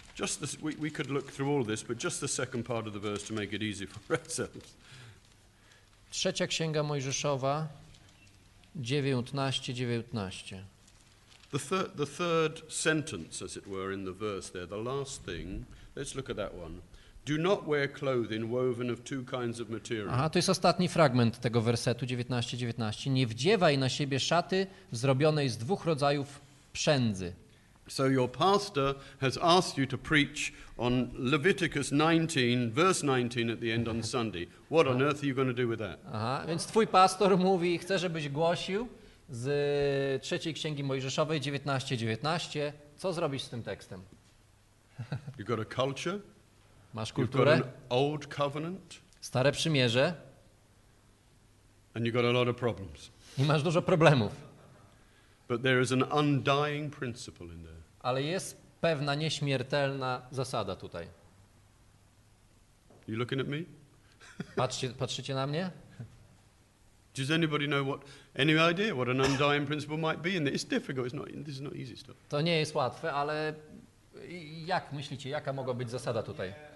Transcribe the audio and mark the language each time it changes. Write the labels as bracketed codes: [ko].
[en] Just this, we could look through all this, but just the second part of the verse to make it easy for ourselves. [pl] Trzecia księga Mojżeszowa 19:19. [en] The third sentence, as it were, in the verse there, the last thing. Let's look at that one. Do not wear clothing woven of two kinds of material. [pl] Aha, to jest ostatni fragment tego wersetu 19:19. Nie wdziewaj na siebie szaty zrobionej z dwóch rodzajów przędzy. [en] So your pastor has asked you to preach on Leviticus 19, verse 19 at the end on Sunday. What on earth are you going to do with that? [pl] Aha, więc twój pastor mówi, chce, żebyś głosił z trzeciej księgi Mojżeszowej 19:19. Co zrobisz z tym tekstem? [en] You got a culture? [pl] Masz kulturę? [en] You've got an old covenant, [pl] stare przymierze. [en] And you've got a lot of problems. [pl] I masz dużo problemów. [en] But there is an undying principle in there. [pl] Ale jest pewna nieśmiertelna zasada tutaj. [en] You looking at me? [pl] Patrzycie na mnie? [en] Does anybody know what any idea what an undying principle might be? It's difficult. This is not easy stuff. [pl] To nie jest łatwe, ale jak myślicie, jaka mogła być zasada tutaj?